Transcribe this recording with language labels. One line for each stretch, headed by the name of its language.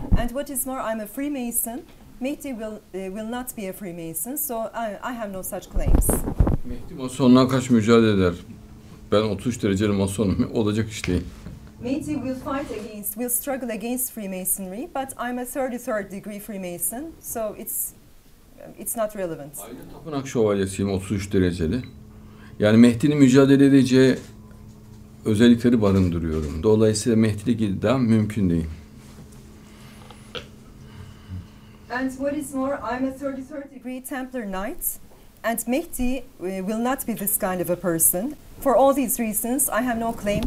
English: And what is more, I'm a Freemason. Mehdi will not be a Freemason, so I have no such claims.
Turkish: Mehdi masonla kaç mücadele eder? Ben 33 dereceli masonum, olacak iş değil.
English: Mehdi will struggle against Freemasonry, but I'm a 33rd degree Freemason, so it's not relevant.
Turkish: Ayrıca Tapınak Şövalyesiyim, 33 dereceli. Yani Mehdi'nin mücadele edeceği özellikleri barındırıyorum. Dolayısıyla Mehdi'lik iddia mümkün değil.
English: And what is more, I'm a 33rd degree Templar Knight, and Mehdi will not be this kind of a person. For all these reasons, I have no claim.